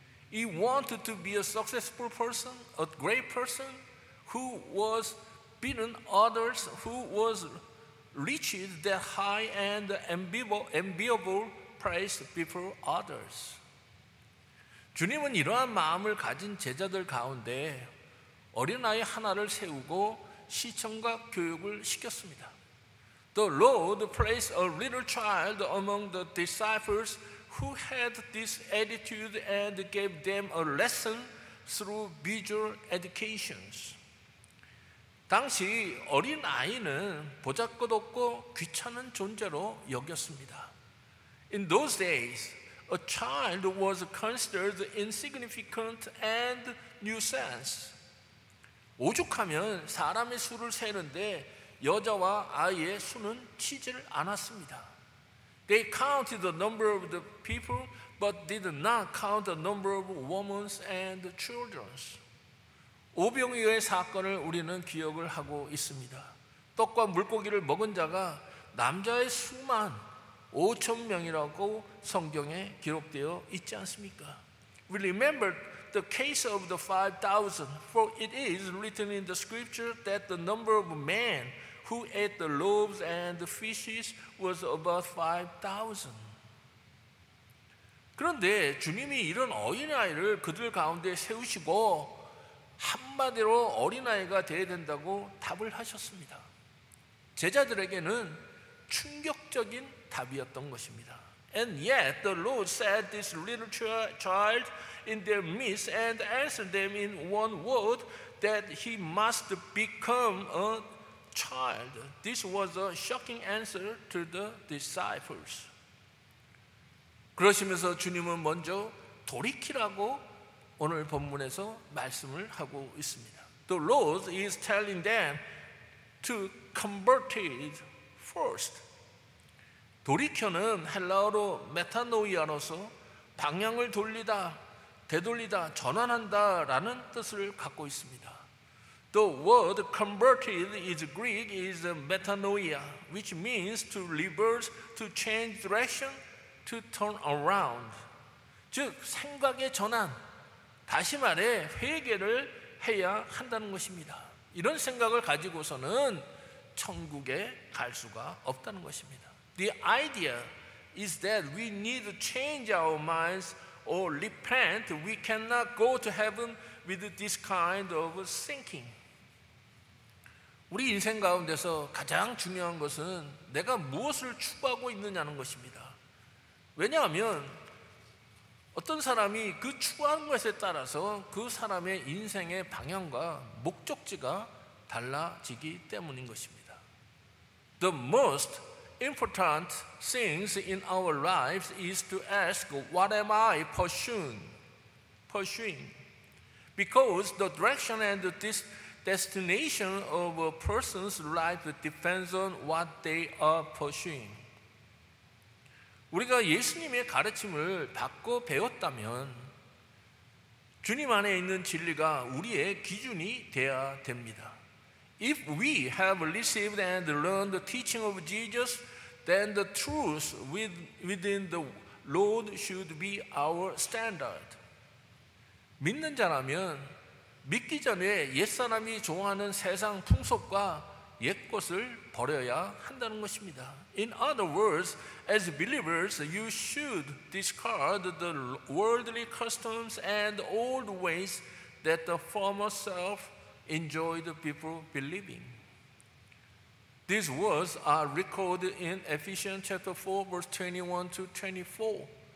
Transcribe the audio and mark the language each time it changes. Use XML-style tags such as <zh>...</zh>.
<en>He wanted to be a successful person, a great person who was beaten others, who was reached that high and enviable place before others.</en> <ko>주님은 이러한 마음을 가진 제자들 가운데 어린아이 하나를 세우고 시청각 교육을 시켰습니다.</ko> <en>The Lord placed a little child among the disciples who had this attitude and gave them a lesson through visual educations.</en> <ko>당시 어린아이는 보잘것없고 귀찮은 존재로 여겼습니다.</ko> <en>In those days, a child was considered insignificant and nuisance.</en> <ko>오죽하면 사람의 수를 세는데 여자와 아이의 수는 치지를 않았습니다.</ko> <en>They counted the number of the people, but did not count the number of women and children.</en> <ko>오병이어의 사건을 우리는 기억을 하고 있습니다. 떡과 물고기를 먹은 자가 남자의 수만 5천 명이라고 성경에 기록되어 있지 않습니까?</ko> <en>We remember the case of the 5,000, for it is written in the scripture that the number of men who ate the loaves and the fishes was about 5,000.</en> <ko>그런데 주님이 이런 어린아이를 그들 가운데 세우시고 한마디로 어린아이가 돼야 된다고 답을 하셨습니다. 제자들에게는 충격적인 답이었던 것입니다.</ko> <en>And yet the Lord set this little child in their midst and answered them in one word that he must become a child. This was a shocking answer to the disciples.</en> <ko>그러시면서 주님은 먼저 돌이키라고 오늘 본문에서 말씀을 하고 있습니다.</ko> <en>The Lord is telling them to convert it first.</en> <ko>돌이켜는 헬라어로 메타노이아로서 방향을 돌리다, 되돌리다, 전환한다 라는 뜻을 갖고 있습니다.</ko> <en>The word converted is Greek is metanoia, which means to reverse, to change direction, to turn around.</en> <ko>즉, 생각의 전환, 다시 말해 회개를 해야 한다는 것입니다. 이런 생각을 가지고서는 천국에 갈 수가 없다는 것입니다.</ko> <en>The idea is that we need to change our minds or repent. We cannot go to heaven with this kind of thinking.</en> <ko>우리 인생 가운데서 가장 중요한 것은 내가 무엇을 추구하고 있느냐는 것입니다. 왜냐하면 어떤 사람이 그 추구하는 것에 따라서 그 사람의 인생의 방향과 목적지가 달라지기 때문인 것입니다.</ko> <en>The most important things in our lives is to ask, what am I pursuing? Because the direction and the destination of a person's life depends on what they are pursuing.</en> <ko>우리가 예수님의 가르침을 받고 배웠다면 주님 안에 있는 진리가 우리의 기준이 되어야 됩니다.</ko> <en>If we have received and learned the teaching of Jesus, then the truth within the Lord should be our standard.</en> <ko>믿는 자라면 믿기 전에 옛사람이 좋아하는 세상 풍속과 옛것을 버려야 한다는 것입니다.</ko> <en>In other words, as believers, you should discard the worldly customs and old ways that the former self enjoyed before believing. These words are recorded in Ephesians chapter 4, verse 21 to 24.</en>